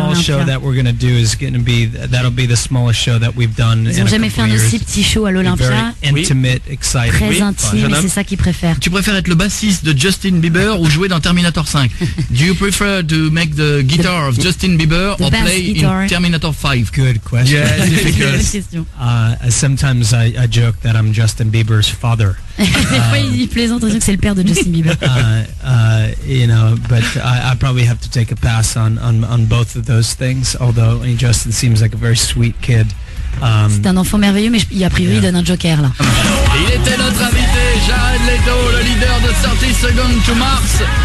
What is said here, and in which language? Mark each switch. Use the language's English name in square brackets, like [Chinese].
[English] And the small show that we're going to do is going to be that'll be the smallest show that we've done. [French] Ils ont jamais fait un aussi petit show à l'Olympia. [English] Very intimate, exciting. [French] Très intime, et c'est ça qu'ils préfèrent. Tu préfères être le bassiste de Justin Bieber ou jouer dans Terminator 5? [English] Do you prefer to make the guitar of Justin Bieber or play in Terminator 5? Good question. Yes, good question. Sometimes I joke that I'm Justin Bieber's father. [French] Des fois, il plaisante en disant que c'est le père de Justin Bieber. [English] You know, but I probably have to take a pass on both of those things. Although Justin seems like a very sweet kid. [French] C'est un enfant merveilleux, mais il a priori donne un joker là. Il était notre invité, Jared. Jared Leto, le leader de 30 Seconds to Mars.